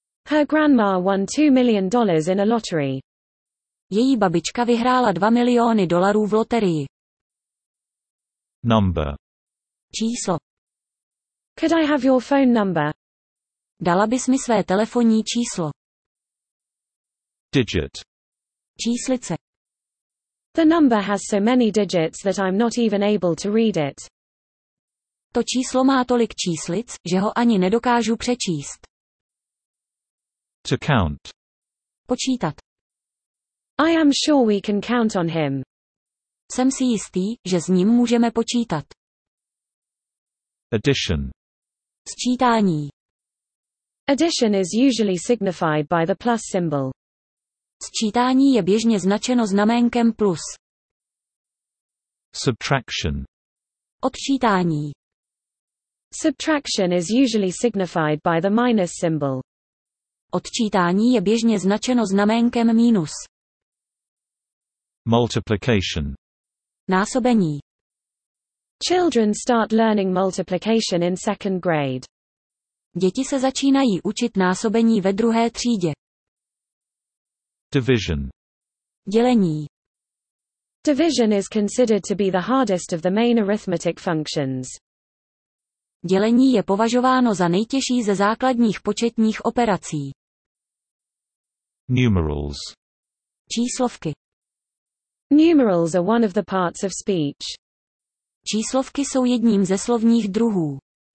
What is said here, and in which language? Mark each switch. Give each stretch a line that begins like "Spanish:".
English: Her grandma won $2 million in a lottery.
Czech: Její babička vyhrála $2 miliony v loterii.
English: Number.
Czech: Číslo.
English: Could I have your phone number?
Czech: Dala bys mi své telefonní číslo.
English: Digit.
Czech: Číslice.
English: The number has so many digits that I'm not even able to read it.
Czech: To číslo má tolik číslic, že ho ani nedokážu přečíst.
English: To count.
Czech: Počítat.
English: I am sure we can count on him.
Czech: Jsem si jistý, že s ním můžeme počítat.
English: Addition.
Czech: Sčítání.
English: Addition is usually signified by the plus symbol.
Czech: Sčítání je běžně značeno znaménkem plus.
English: Subtraction.
Czech: Odčítání.
English: Subtraction is usually signified by the minus symbol.
Czech: Odčítání je běžně značeno znaménkem minus.
English: Multiplication.
Czech: Násobení.
English: Children start learning multiplication in second grade.
Czech: Děti se začínají učit násobení ve druhé třídě.
English: Division.
Czech: Dělení.
English: Division is considered to be the hardest of the main arithmetic functions.
Czech: Dělení je považováno za nejtěžší ze základních početních operací.
English: Numerals.
Czech: Číslovky.
English: Numerals are one of the parts of speech.
Czech: Číslovky jsou jedním ze slovních druhů.